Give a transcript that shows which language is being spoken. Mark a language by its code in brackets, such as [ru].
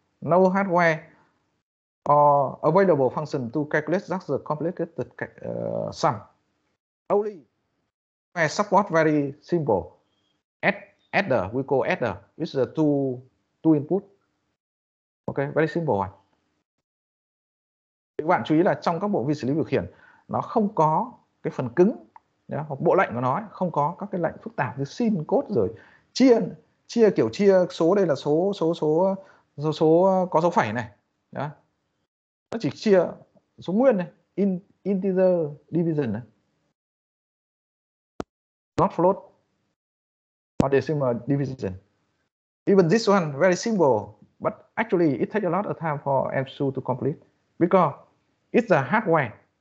[en] No hardware or available function to calculate that's the complicated sum. Only where support very simple. Adder, we call adder, which is a two input. Okay, very simple one. [vi] Các bạn chú ý là trong các bộ vi xử lý điều khiển, nó không có cái phần cứng, hoặc bộ lệnh của nó không có các cái lệnh phức tạp như sin, cốt rồi chia, chia kiểu chia số đây là số có dấu phẩy này, nó chỉ chia số nguyên này, integer division này, [en] not float, or decimal division. Even this one very simple, but actually it takes a lot of time for MCU to complete because it's a hardware.